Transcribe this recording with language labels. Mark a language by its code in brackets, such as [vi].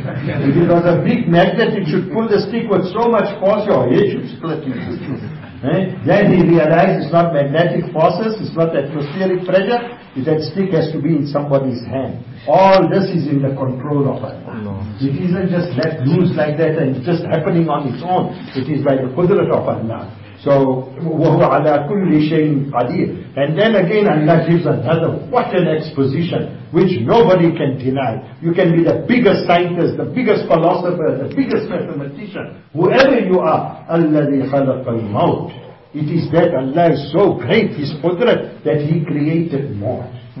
[en] If it was a big magnet, it should pull the stick with so much force, your head should split into two. Then he realized it's not magnetic forces, it's not atmospheric pressure, that stick has to be in somebody's hand. All this is in the control of Allah. It isn't just let loose like that and just happening on its own. It is by the qudrat of Allah. [ar] So, وَهُوَ عَلَىٰ كُلِّ شَيْءٍ قَدِيرٍ. [en] And then again Allah gives another, what an exposition, which nobody can deny. You can be the biggest scientist, the biggest philosopher, the biggest mathematician, whoever you are, [ar] أَلَّذِي خَلَقَ الْمَوْتِ. [en] It is that Allah is so great, His qudrat, that He created mort.